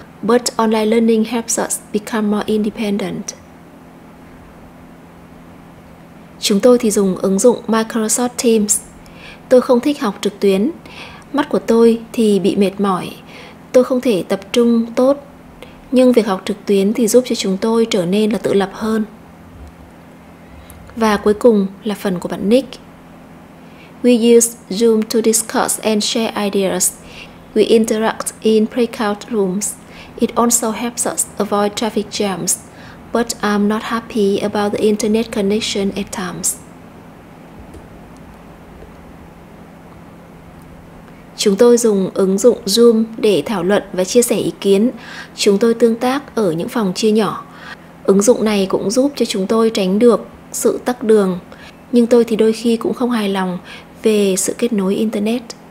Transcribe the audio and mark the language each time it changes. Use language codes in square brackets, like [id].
[en] But online learning helps us become more independent. [vi] Chúng tôi thì dùng ứng dụng Microsoft Teams. Tôi không thích học trực tuyến. Mắt của tôi thì bị mệt mỏi. Tôi không thể tập trung tốt. Nhưng việc học trực tuyến thì giúp cho chúng tôi trở nên là tự lập hơn. Và cuối cùng là phần của bạn Nick. [en] We use Zoom to discuss and share ideas. We interact in breakout rooms. It also helps us avoid traffic jams. But I'm not happy about the internet connection at times. [vi] Chúng tôi dùng ứng dụng Zoom để thảo luận và chia sẻ ý kiến. Chúng tôi tương tác ở những phòng chia nhỏ. Ứng dụng này cũng giúp cho chúng tôi tránh được sự tắc đường. Nhưng tôi thì đôi khi cũng không hài lòng về sự kết nối Internet.